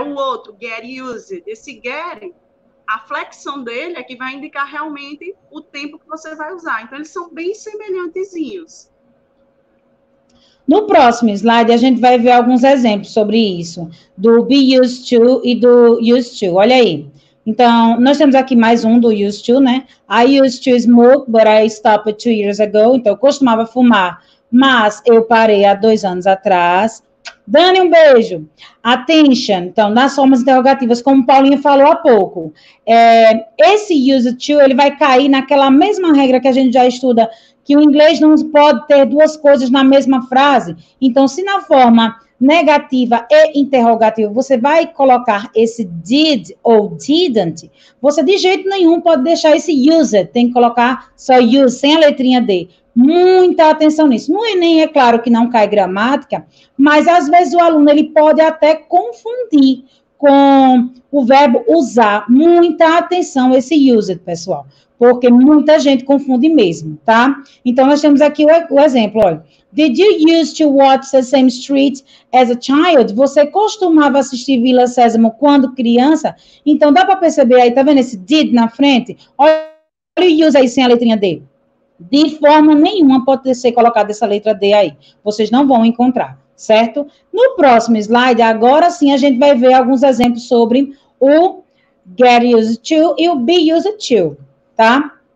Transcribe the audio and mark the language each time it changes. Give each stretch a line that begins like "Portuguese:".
Portuguese: O outro, get used, esse get, a flexão dele é que vai indicar realmente o tempo que você vai usar. Então, eles são bem semelhantezinhos. No próximo slide, a gente vai ver alguns exemplos sobre isso, do be used to e do used to. Olha aí. Então, nós temos aqui mais um do used to, né?
English: I used to smoke, but I stopped 2 years ago.
Portuguese: Então, eu costumava fumar, mas eu parei há 2 anos atrás. Dani, um beijo. Attention. Então, nas formas interrogativas, como Paulinha falou há pouco. Esse used to, ele vai cair naquela mesma regra que a gente já estuda, que o inglês não pode ter duas coisas na mesma frase. Então, se na forma negativa e interrogativa, você vai colocar esse did ou didn't, você de jeito nenhum pode deixar esse used, tem que colocar só used, sem a letrinha D. Muita atenção nisso. No Enem, é claro que não cai gramática, mas às vezes o aluno ele pode até confundir com o verbo usar. Muita atenção esse used, pessoal, porque muita gente confunde mesmo, tá? Então, nós temos aqui o exemplo, olha.
English: Did you used to watch the same street as a child?
Portuguese: Você costumava assistir Vila Sésamo quando criança? Então, dá para perceber aí, tá vendo esse did na frente? Olha o use aí sem a letrinha D. De forma nenhuma pode ser colocada essa letra D aí. Vocês não vão encontrar, certo? No próximo slide, agora sim, a gente vai ver alguns exemplos sobre o get used to e o be used to, tá?